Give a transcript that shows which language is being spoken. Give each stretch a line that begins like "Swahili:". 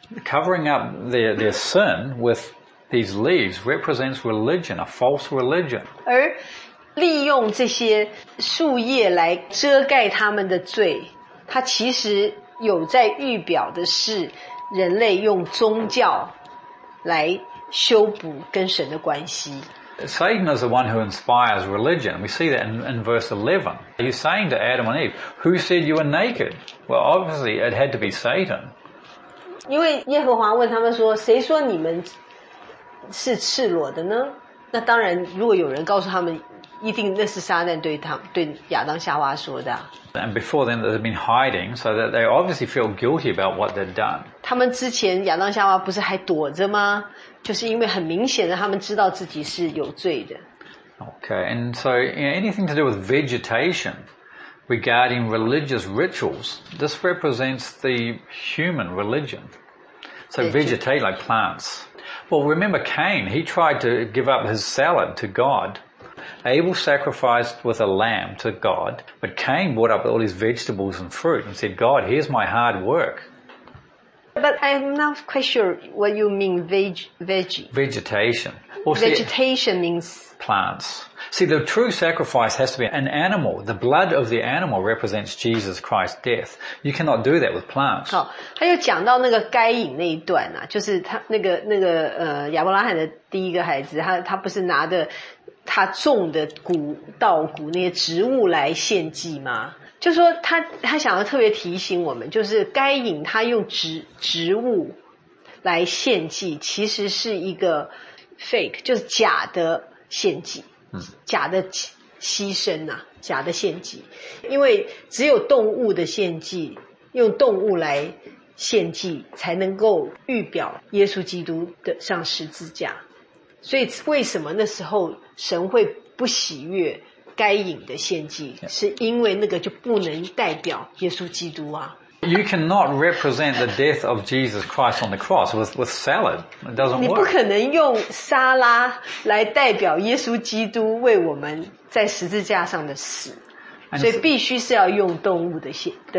English: Covering up their sin with these leaves represents religion, a false religion.
Chinese: 而利用这些树叶来遮盖他们的罪，它其实有在预表的是人类用宗教来修补跟神的关系。
English: Satan is the one who inspires religion. We see that in verse 11. He's saying to Adam and Eve, who said you were naked? Well, obviously it had to be Satan.
Chinese: 因为耶和华问他们说，谁说你们是赤裸的呢？那当然，如果有人告诉他们，一定那是撒旦对他对亚当夏娃说的。
English: And before then, they've been hiding, so that they obviously feel guilty about what they've done.
Chinese: 他们之前亚当夏娃不是还躲着吗？就是因为很明显的，他们知道自己是有罪的。
English: Okay, and so anything to do with vegetation regarding religious rituals, this represents the human religion. So vegetate like plants. Well, remember Cain? He tried to give up his salad to God. Abel sacrificed with a lamb to God, but Cain brought up all his vegetables and fruit and said, God, here's my hard work. But I'm not quite sure what you mean, vegetation. Well, vegetation see, means... Plants. See, the true sacrifice has to be an animal. The blood of the animal represents Jesus Christ's death. You cannot do that with plants.
Chinese: 好，他又讲到那个该隐那一段啊，就是他亚伯拉罕的第一个孩子，他不是拿的他种的谷稻谷那些植物来献祭吗？就说他想要特别提醒我们，就是该隐他用植物来献祭，其实是一个 fake， 就是假的献祭，假的牺牲啊，假的献祭。因为只有动物的献祭，用动物来献祭，才能够预表耶稣基督的上十字架。所以为什么那时候神会不喜悦该隐的献祭，是因为那个就不能代表耶稣基督啊。
English: You cannot represent the death of Jesus Christ on the cross with salad. It doesn't work.
Chinese: 你不可能用沙拉来代表耶稣基督为我们在十字架上的死，所以必须是要用动物的血。